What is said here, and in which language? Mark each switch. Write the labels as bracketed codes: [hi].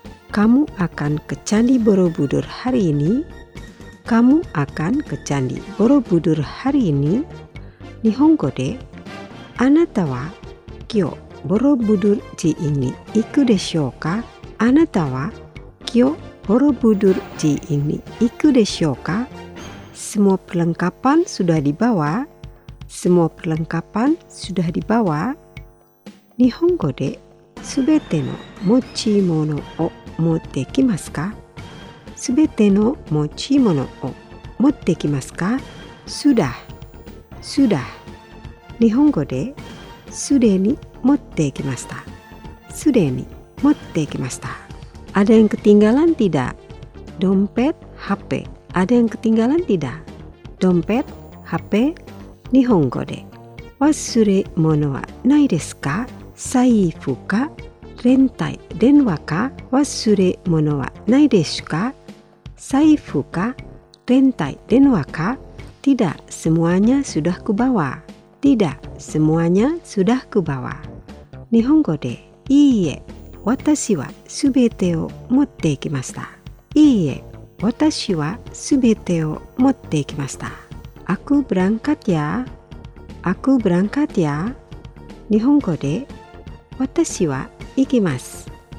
[id] Kamu akan ke Candi Borobudur hari ini? Kamu akan ke Candi Borobudur hari ini? [ja] 日本語で、あなたは今日ボロブドゥル寺院に行くでしょうか。あなたは今日ボロブドゥル寺院に行くでしょうか。 [id] Semua perlengkapan sudah dibawa. Semua perlengkapan sudah dibawa. [ja] 日本語で全ての持ち物を持ってきますか。全ての持ち物を持ってきますか。 [id] Sudah. Sudah. [ja] 日本語ですでに持ってきました。すでに持ってきました。 [id] Ada yang ketinggalan tidak? Dompet, HP. Ada yang ketinggalan tidak? Dompet, HP. [ja] 日本語で。忘れ物はないですか？財布か？連帯電話か？忘れ物はないですか？財布か？連帯電話か？ [id] Tidak, semuanya sudah kubawa. Tidak, semuanya sudah kubawa. [ja] 日本語で、いいえ、私はすべてを持ってきました。いいえ、私はすべてを持ってきました。 [id] Aku berangkat ya. Aku berangkat ya. [ja] 日本語で、私は行きます。